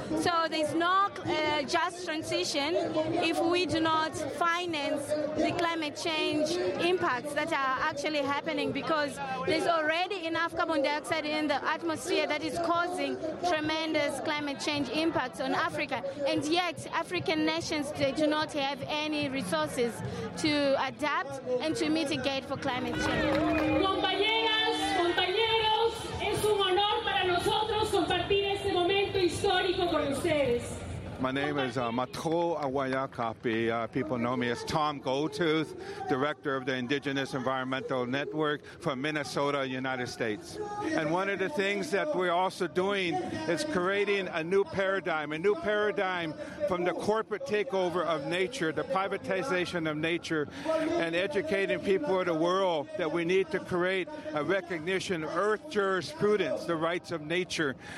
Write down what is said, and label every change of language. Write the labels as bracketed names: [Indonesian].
[English] So there's no just transition if we do not finance the climate change impacts that are actually happening, because there's already enough carbon dioxide in the atmosphere that is causing tremendous climate change impacts on Africa. And yet, African nations, they do not have any resources to adapt and to mitigate for climate change. [Spanish] Compañeras, compañeros, es un honor para nosotros compartir este momento histórico con ustedes. [English] My name is Matro Awayakapi. People know me as Tom Goldtooth, director of the Indigenous Environmental Network from Minnesota, United States. And one of the things that we're also doing is creating a new paradigm from the corporate takeover of nature, the privatization of nature, and educating people of the world that we need to create a recognition of earth jurisprudence, the rights of nature.